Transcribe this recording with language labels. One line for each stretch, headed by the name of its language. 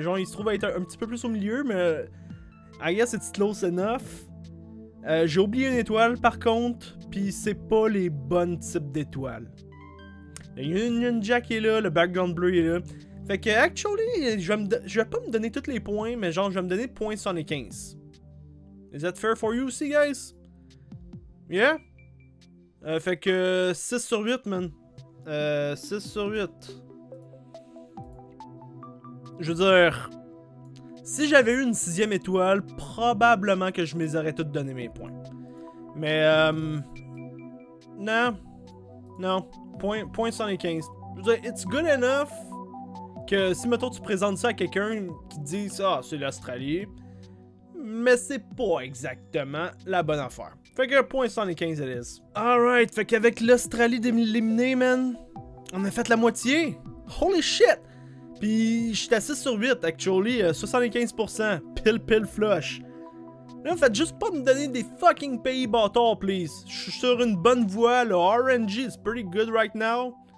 French: Genre il se trouve à être un petit peu plus au milieu, mais
English: I guess it's close enough.
French: J'ai oublié une étoile par contre, puis c'est pas les bonnes types d'étoiles. Le Union Jack est là, le background bleu est là. Fait que, actually, je vais pas me donner tous les points, mais genre, je vais me donner 0.75.
English: Is that fair for you
French: aussi,
English: guys?
French: Yeah? Fait que, 6 sur 8, man. 6 sur 8. Je veux dire, si j'avais eu une 6e étoile, probablement que je me les aurais toutes donné mes points. Mais, Non. Point 115.
English: It's good enough
French: que si, mettons, tu présentes ça à quelqu'un qui te dit ça, oh, c'est l'Australie, mais c'est pas exactement la bonne affaire. Fait que point 115,
English: it is.
French: Alright, fait qu'avec l'Australie éliminée, man, on a fait la moitié.
English: Holy shit!
French: Puis j'étais à 6 sur 8, actually, 75%. Pile flush. Là, faites juste pas me donner des fucking pays bâtards, please. Je suis sur une bonne voie, là.
English: RNG is pretty good right now.